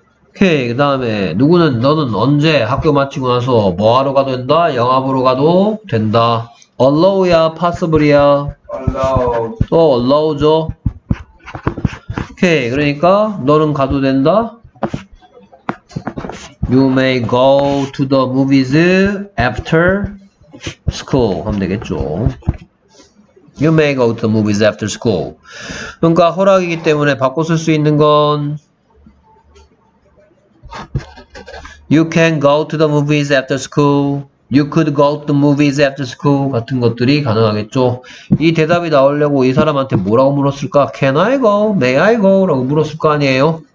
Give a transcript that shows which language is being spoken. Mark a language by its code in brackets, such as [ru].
[ko] 오케이. 그 다음에 누구는 너는 언제 학교 마치고 나서 뭐하러 가도 된다? 영화 보러 가도 된다. allow야? possible이야? [en] allow. [ko] 또 allow죠? 오케이. 그러니까 너는 가도 된다? [en] you may go to the movies after school [ko] 하면 되겠죠. [en] you may go to the movies after school. [ko] 그러니까 허락이기 때문에 바꿔 쓸 수 있는 건 [en] You can go to the movies after school. You could go to the movies after school. [ko] 같은 것들이 가능하겠죠. 이 대답이 나오려고 이 사람한테 뭐라고 물었을까? [en] Can I go? May I go? [ko] 라고 물었을 거 아니에요.